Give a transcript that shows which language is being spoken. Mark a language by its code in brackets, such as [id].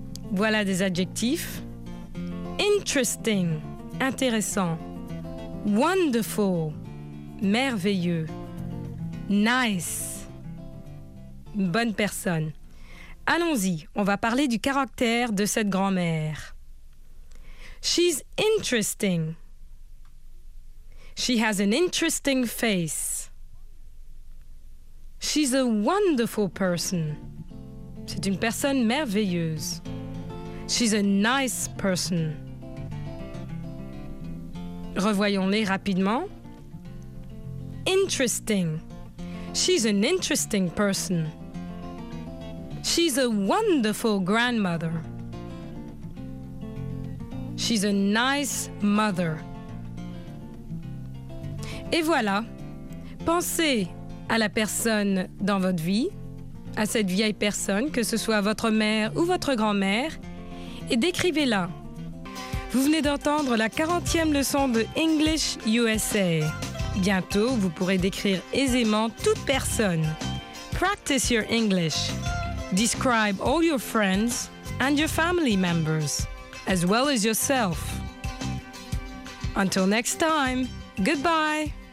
[fr] Voilà des adjectifs. Interesting, intéressant. Wonderful, merveilleux. Nice, bonne personne. Allons-y, on va parler du caractère de cette grand-mère. [en] She's interesting. She has an interesting face. She's a wonderful person. [fr] C'est une personne merveilleuse. [en] She's a nice person. [fr] Revoyons-les rapidement. [en] Interesting. She's an interesting person. She's a wonderful grandmother. She's a nice mother. [fr] Et voilà. Pensez à la personne dans votre vie, à cette vieille personne, que ce soit votre mère ou votre grand-mère, et décrivez-la. Vous venez d'entendre la 40e leçon de English USA. Bientôt, vous pourrez décrire aisément toute personne. [en] Practice your English. Describe all your friends and your family members, as well as yourself. Until next time, goodbye.